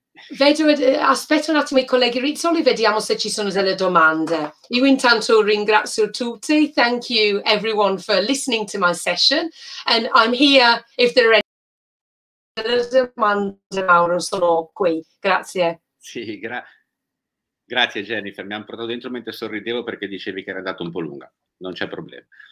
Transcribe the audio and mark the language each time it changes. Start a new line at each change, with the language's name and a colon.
Italian: Vedo, aspetto un attimo I colleghi Rizzoli, vediamo se ci sono delle domande. Io intanto ringrazio tutti.
English: Thank you everyone for listening to my session, and I'm here if there are any domande.
Italian: Mauro, sono qui. Grazie. Sì, Grazie Jennifer, mi hanno portato dentro mentre sorridevo perché dicevi che era andata un po' lunga, non c'è problema.